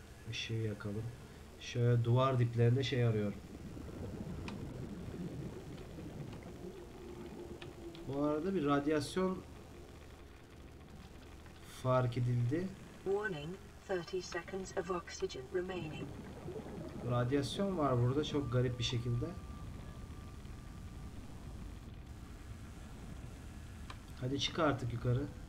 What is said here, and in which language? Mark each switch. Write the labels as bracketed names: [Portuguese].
[Turkish] Işığı yakalım. Şöyle duvar diplerinde şey arıyorum. Bu arada bir radyasyon fark edildi. [English] Warning, 30 seconds of oxygen remaining. [Turkish] Radyasyon var burada çok garip bir şekilde. Hadi çık artık yukarı.